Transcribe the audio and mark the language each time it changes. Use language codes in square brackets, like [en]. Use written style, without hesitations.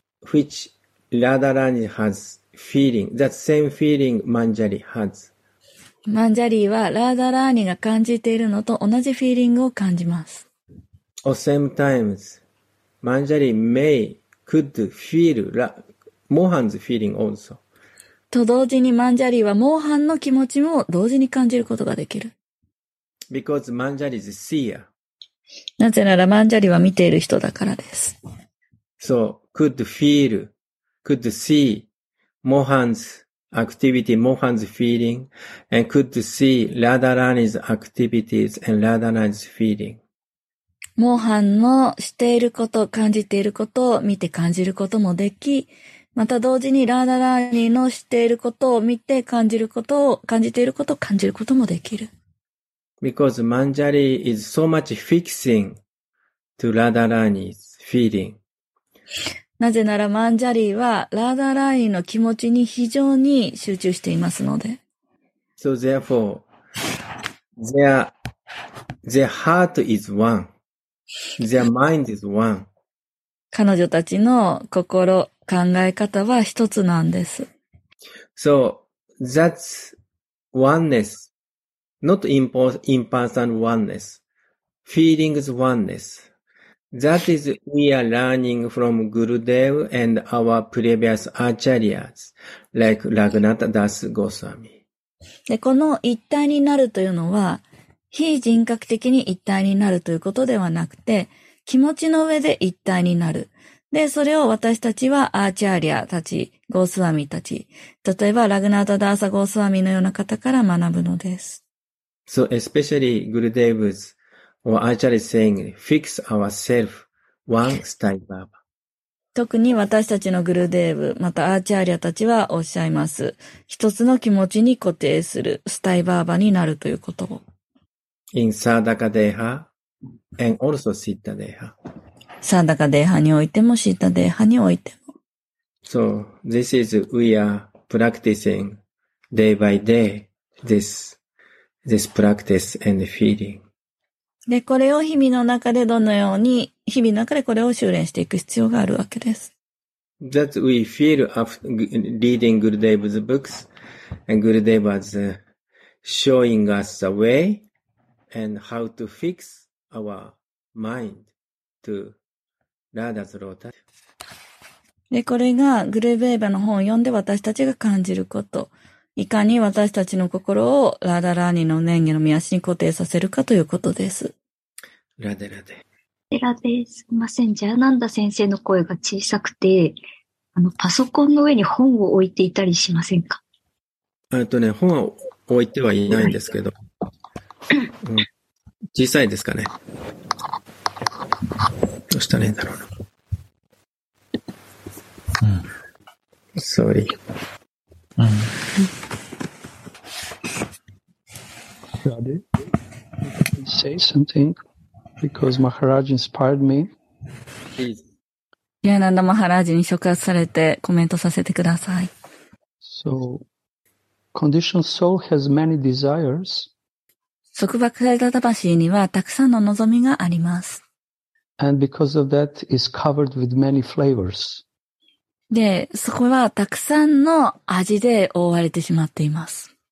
[en] Which Radharani has feeling, that same feeling Manjari has. [ja] Manjari はラダラーニが感じているのと同じフィーリングを感じます。 [en] Or same times, Manjari may, could feel Mohan's feeling also. [ja] と同時にマンジャリーはモーハンの気持ちも同時に感じることができる。 [en] Because Manjari is a seer. [ja] なぜならマンジャリーは見ている人だからです。 [en] So,could feel, could see Mohan's activity, Mohan's feeling, and could see Radharani's activities and Radharani's feeling. [ja] Mohan のしていること、感じていることを見て感じることもでき、また同時に Radharani のしていることを見て感じることを、感じていることを感じることもできる。 [en] Because Manjari is so much fixing to Radharani's feeling. [ja] なぜならマンジャリーはラダラーニの気持ちに非常に集中していますので。 [en] So therefore, their heart is one. Their mind is one. [ja] 彼女たちの心、考え方は一つなんです。 [en] So that's oneness. Not impersonal oneness. Feelings oneness. That is, we are learning from Gurudev and our previous acharyas, like Raghunatha Das Goswami. [ja] で、この一体になるというのは、非人格的に一体になるということではなくて、気持ちの上で一体になる。で、それを私たちはアーチャリアたち、ゴスワミたち、例えばRaghunatha Das Goswamiのような方から学ぶのです。 [en] So, especially Gurudev's,Or actually saying, fix ourselves one style Baba. [ja] 特に私たちのグルデーブ、またアーチャーリアたちはおっしゃいます。一つの気持ちに固定するスタイバーバになるということを。 [en] In Sadaka Deha and also Siddha Deha. [ja] Sadaka Deha においてもSiddha Dehaにおいても。 [en] So, this is we are practicing day by day this practice and feeling. [ja] で、これを日々の中でどのように、日々の中でこれを修練していく必要があるわけです。 [en] That we feel after reading Gurudev's books, And Gurudeva is showing us a way and how to fix our mind to Radha's lotus. [ja] で、これがグルーヴェーヴァの本を読んで私たちが感じること。いかに私たちの心をラダラーニの念下の御足に固定させるかということです。ラデラデ。ラデラデ、すいません。ジャーナンダ先生の声が小さくて、パソコンの上に本を置いていたりしませんか？本は置いてはいないんですけど、うん、小さいですかね。どうしたらいいんだろうな。 [en] Sorry. Radhe, say something because Maharaj inspired me. Please. [ja] Yananda Maharaj に触発されてコメントさせてください。 [en] So, conditioned soul has many desires. [ja] 束縛された魂にはたくさんの望みがあります。 [en] And because of that, is covered with many flavors. [ja] で、そこはたくさんの味で覆われてしまっています。